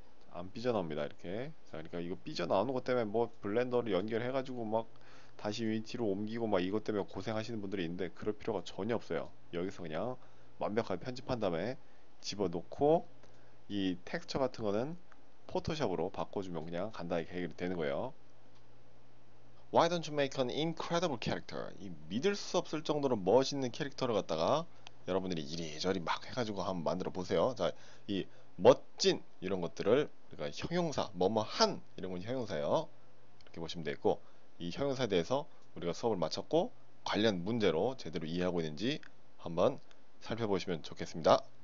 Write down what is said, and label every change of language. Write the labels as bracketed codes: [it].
[ko] 안 삐져나옵니다, 이렇게. 자, 그러니까 이거 삐져나오는 것 때문에, 뭐, 블렌더를 연결해가지고, 막, 다시 위치로 옮기고, 막, 이것 때문에 고생하시는 분들이 있는데, 그럴 필요가 전혀 없어요. 여기서 그냥, 완벽하게 편집한 다음에, 집어넣고, 이 텍스처 같은 거는, 포토샵으로 바꿔주면 그냥, 간단하게 해결이 되는 거예요. [en] Why don't you make an incredible character? [ko] 이 믿을 수 없을 정도로 멋있는 캐릭터를 갖다가 여러분들이 이리저리 막 해가지고 한번 만들어 보세요. 자, 이 멋진 이런 것들을 그러니까 형용사, 뭐뭐한 이런 건 형용사예요. 이렇게 보시면 되겠고, 이 형용사에 대해서 우리가 수업을 마쳤고 관련 문제로 제대로 이해하고 있는지 한번 살펴보시면 좋겠습니다.